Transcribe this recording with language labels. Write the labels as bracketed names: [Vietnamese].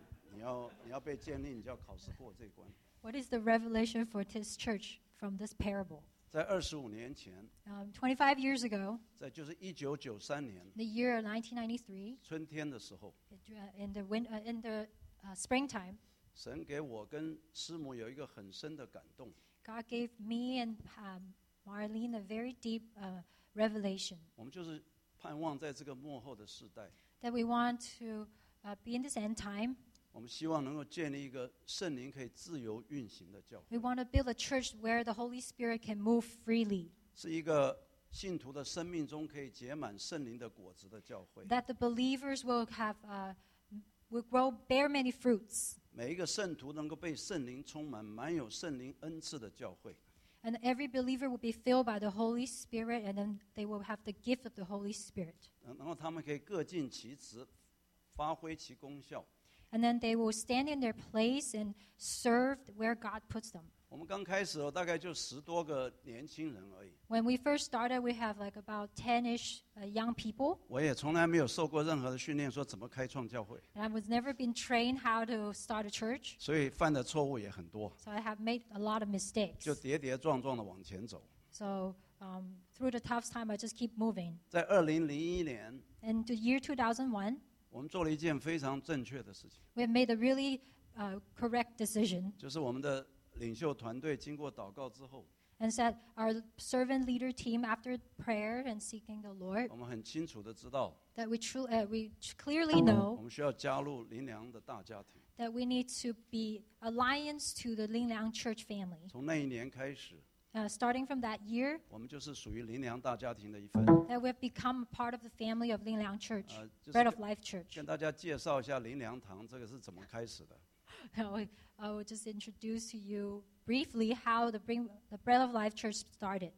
[Chinese] 你要不要来翻好？下面是考试了啊！你下面你要被建立，你就要考试过这一关。 [English] What is the revelation for this church from this parable? [Chinese] 在25年前 [English] 25 years ago [Chinese] 在就是1993年 [English] the year 1993 [Chinese] 春天的时候 [English] in the springtime [Chinese] 神给我跟师母有一个很深的感动 [English] God gave me and Marlene a very deep revelation [Chinese] 我们就是盼望在这个末后的世代 [English] that we want to be in this end time [Chinese] 我们希望能够建立一个圣灵可以自由运行的教会。 [English] We want to build a church where the Holy Spirit can move freely. [Chinese] 是一个信徒的生命中可以结满圣灵的果子的教会。 [English] That the believers will have will grow, bear many fruits. [Chinese] 每一个圣徒能够被圣灵充满，满有圣灵恩赐的教会。 [English] And every believer will be filled by the Holy Spirit, and then they will have the gift of the Holy Spirit. [Chinese] 然后他们可以各尽其职，发挥其功效。 [English] And then they will stand in their place and serve where God puts them. [Chinese] 我们刚开始大概就十多个年轻人而已。 [English] When we first started, we have like about 10-ish young people. [Chinese] 我也从来没有受过任何的训练，说怎么开创教会。 [English] And I was never been trained how to start a church. [Chinese] 所以犯的错误也很多。 [English] So I have made a lot of mistakes. [Chinese] 就跌跌撞撞的往前走。 [English] So through the tough time, I just keep moving. [Chinese] 在2001年。 [English] In the year 2001. [Chinese] 我们做了一件非常正确的事情。We [English] have made a really correct decision. [Chinese] 就是我们的 领袖团队经过祷告之后, [English] and said our servant leader team after prayer and seeking the Lord, [Chinese] 我们很清楚地知道, [English] that we truly we clearly know [Chinese] 我们需要加入灵粮的大家庭, [English] that we need to be alliance to the Linliang church family. [Chinese] 从那一年开始, [English] starting from that year, [Chinese] 我们就是属于灵粮大家庭的一份, [English] that we have become part of the family of Linliang church, Bread of Life church. [Chinese] 跟大家介绍一下灵粮堂这个是怎么开始的。 [English] I will just introduce to you briefly how the Bread of Life Church started.